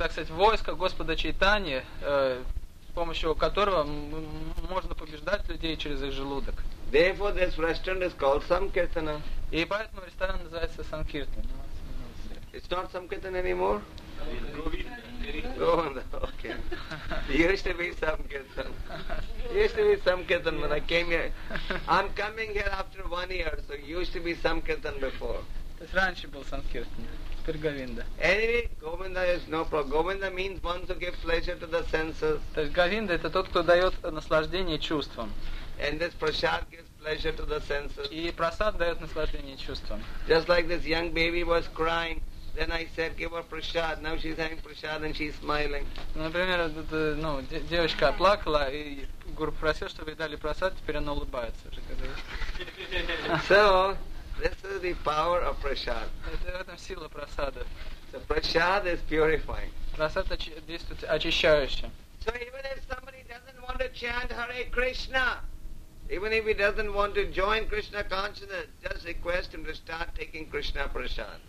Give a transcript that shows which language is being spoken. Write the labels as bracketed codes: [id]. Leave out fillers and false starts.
[ru] Войско Господа Чайтаньи, с помощью которого можно побеждать людей через их желудок. [en] Therefore, this restaurant is called Sankirtana. [ru] И поэтому ресторан называется Sankirtan. [en] It's not Sankirtan anymore. Okay. Used to be some kirtan when I came here. I'm coming here after 1 year, so used to be some kirtan before. It's [ru] раньше был сам киртан. Теперь Говинда. [en] Anyway, Govinda is no problem. Govinda means one to give pleasure to the senses. [ru] То есть Говинда это тот, кто дает наслаждение чувствам. [en] And this prasad gives pleasure to the senses. [ru] И прасад дает наслаждение чувствам. [en] Just like this young baby was crying. Then I said, give her prasad. Now she's having prasad and she's smiling. [ru] Например, девочка плакала, и гуру просил, чтобы ей дали прасад, теперь она улыбается. [en] So, this is the power of prasad. [ru] Это в этом сила прасада. [en] So, prasad is purifying. [ru] Прасад действует очищающе. [en] So, even if somebody doesn't want to chant Hare Krishna, even if he doesn't want to join Krishna consciousness, just request him to start taking Krishna prasad.